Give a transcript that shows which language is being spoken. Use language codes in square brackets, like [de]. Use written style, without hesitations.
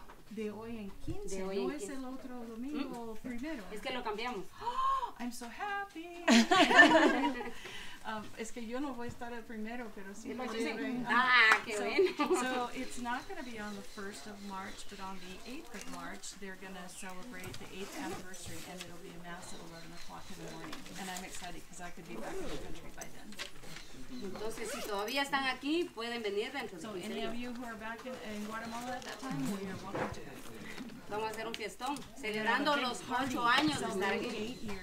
[es] De hoy en 15, hoy en 15. No es el otro domingo primero. Es que lo cambiamos. [en] Oh, I'm so happy. [es] es que yo no voy a estar el primero, pero sí. Ah, qué bueno. [en] So it's not going to be on the 1st of March, but on the 8th of March, they're going to celebrate the 8th anniversary, and it'll be a mass at 11 o'clock in the morning. And I'm excited because I could be back in the country by then. [es] Entonces, si todavía están aquí, pueden venir dentro de 15 días. [en] So, any of you who are back in Guatemala at that time, you're welcome to. [es] Vamos a hacer un fiestón, celebrando los 8 años de estar aquí.